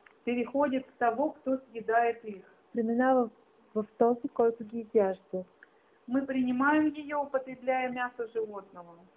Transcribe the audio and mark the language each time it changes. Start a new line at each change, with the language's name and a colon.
Russian: переходит в того, кто съедает их.
Bulgarian: Преминава в този, който ги изяжда.
Russian: Мы принимаем ее, употребляя мясо животного.